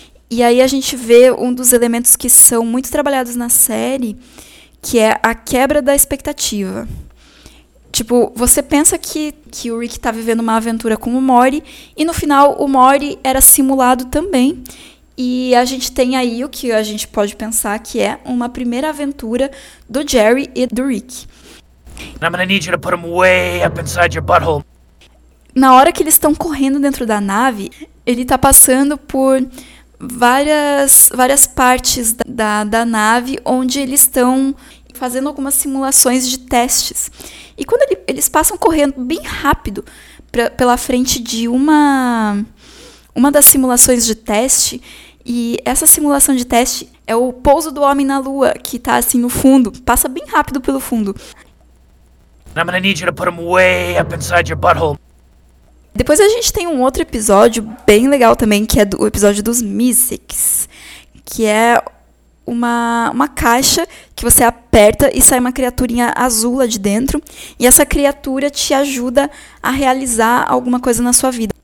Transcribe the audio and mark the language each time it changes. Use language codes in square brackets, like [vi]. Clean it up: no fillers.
[pt] E aí a gente vê um dos elementos que são muito trabalhados na série, que é a quebra da expectativa. Tipo, você pensa que o Rick tá vivendo uma aventura com o Morty, e no final o Morty era simulado também. E a gente tem aí o que a gente pode pensar que é uma primeira aventura do Jerry e do Rick. [en] And I'm gonna need you to put them way up inside your butthole. [pt] Na hora que eles estão correndo dentro da nave, ele tá passando por várias partes da nave onde eles estão fazendo algumas simulações de testes. E quando eles passam correndo bem rápido pela frente de uma das simulações de teste, e essa simulação de teste é o pouso do homem na lua, que tá assim no fundo, passa bem rápido pelo fundo. [en] I'm gonna need you to put them way up inside your butthole. [pt] Depois a gente tem um outro episódio bem legal também, que é o episódio dos Meeseeks, que é uma caixa que você aperta e sai uma criaturinha azul lá de dentro, e essa criatura te ajuda a realizar alguma coisa na sua vida.